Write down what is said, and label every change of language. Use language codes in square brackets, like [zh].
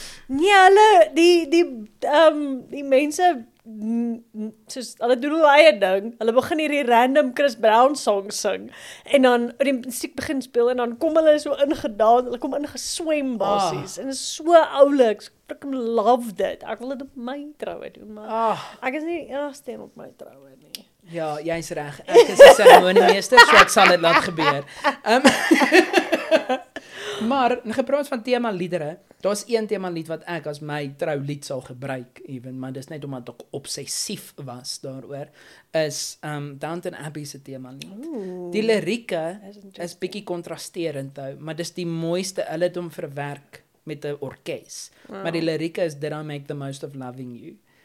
[af] Nee, hulle, die mense, soos, hulle doen hulle eie ding, hulle begin hier die random Chris Brown song sing, en dan, die muziek begin speel, en dan kom hulle so ingedaan, hulle kom ingeswem basis, en is so ouliks, ek love dit, ek wil dit op my trouwe doen, maar ek is nie die enigste op my trouwe nie. Ja, jy is reg, ek is die ceremoniemeester, so ek sal dit laat gebeur. Maar, gepraat van thema liedere, daar is een thema lied wat ek as my trou lied sal gebruik, even, maar dis net omdat ek obsessief was daaroor, is Downton Abbey se thema lied. Ooh, die lirieke is bietjie kontrasterend, maar dis die mooiste, hulle het om verwerk met 'n orkes. Wow. Maar die lirieke is, [en] did I make the most of loving you?